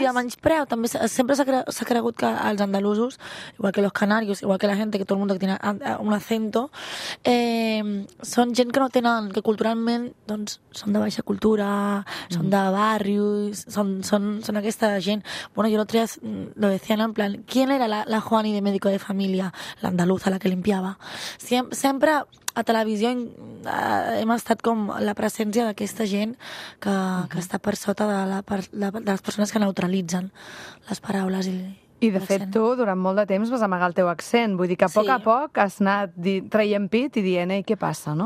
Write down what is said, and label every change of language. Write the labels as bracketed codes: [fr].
[ca] I de menyspreu, també sempre s'ha cregut que els andalusos, igual que [es] los canarios, igual que la gente, que todo el mundo que tiene un acento, [ca] són gent que no tenen, que culturalment doncs són de baixa cultura, són de barrios, són aquesta gent. [es] Bueno, yo lo otro día lo decían en plan, ¿quién era la Juani de médico de familia? L'andaluza, la que limpiava. [ca] Sempre a televisió hem estat com la presència d'aquesta gent que està per sota de les persones que neutralitzen les paraules i de fet, tu, durant molt de temps vas amagar el teu accent. Vull dir que a poc sí, a poc has anat traient pit i dient, ei, què passa, no?